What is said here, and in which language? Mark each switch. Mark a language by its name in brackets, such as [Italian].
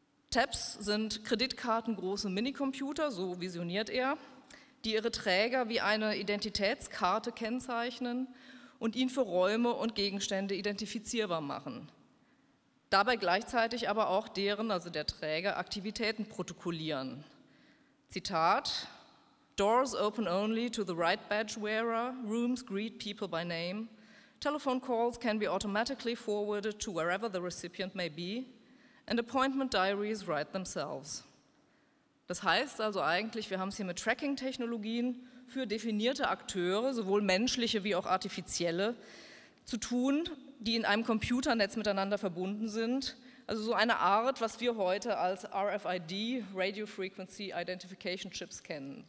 [German] Tabs sind kreditkartengroße Minicomputer, so visioniert er, die ihre Träger wie eine Identitätskarte kennzeichnen und ihn für Räume und Gegenstände identifizierbar machen. Dabei gleichzeitig aber auch deren, also der Träger, Aktivitäten protokollieren. [English] Zitat: Doors open only to the right badge wearer, rooms greet people by name. Telephone calls can be automatically forwarded to wherever the recipient may be, and appointment diaries write themselves. [German] Das heißt also eigentlich, wir haben es hier mit Tracking-Technologien für definierte Akteure, sowohl menschliche wie auch artifizielle, zu tun, die in einem Computernetz miteinander verbunden sind. Also so eine Art, was wir heute als RFID, Radio Frequency Identification Chips, kennen.